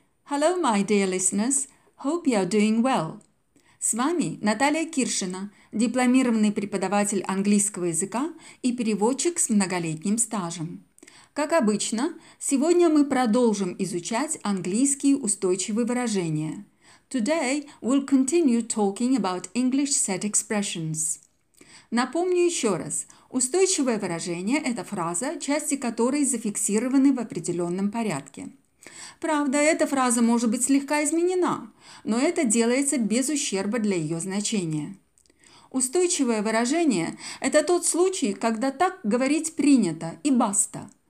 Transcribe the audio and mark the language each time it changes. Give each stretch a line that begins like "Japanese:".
English: Hello, my dear listeners. Hope you're doing well.
Russian: С вами Наталья Киршина, дипломированный преподаватель английского языка и переводчик с многолетним стажем. Как обычно, сегодня мы продолжим изучать английские устойчивые выражения.
English: Today we'll continue talking about English set expressions.
Russian: Напомню еще раз. Устойчивое выражение – это фраза, части которой зафиксированы в определенном порядке. Правда, эта фраза может быть слегка изменена, но это делается без ущерба для ее значения. Устойчивое выражение – это тот случай, когда так говорить принято и баста.